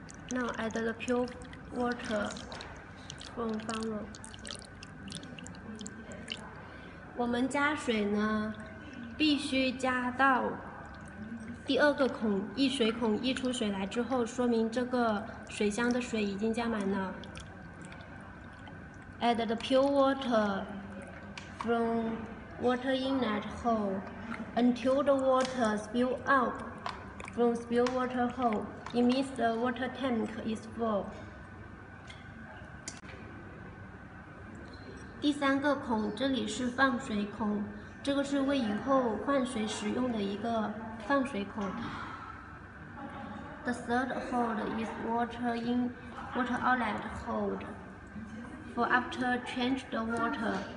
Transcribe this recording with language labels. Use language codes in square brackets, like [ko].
[en] Now add the pure water from funnel. [zh] 我们加水呢，必须加到第二个孔，溢水孔溢出水来之后，说明这个水箱的水已经加满了。 [en] Add the pure water from water inlet hole until the water spill out from spill water hole. It means the water tank is full. [zh] 第三个孔，这里是放水孔，这个是为以后换水使用的一个放水孔。 [en] The third hole is water outlet hole for after change the water.